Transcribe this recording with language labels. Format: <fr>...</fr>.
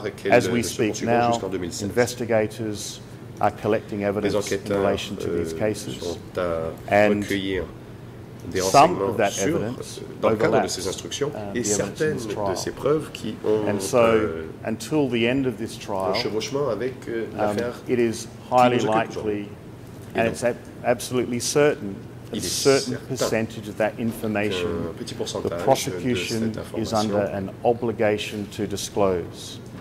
<en>As we speak now, investigators are collecting evidence in relation to these cases and some of that evidence</en> <fr>dans le cadre de ces instructions et certaines de ces preuves qui ont</fr> <en>and so, until the end of this trial,</en> <fr>un chevauchement avec l'affaire</fr> <en>it is highly likely and it's absolutely certain that a certain percentage of that information the prosecution is under an obligation to disclose</en>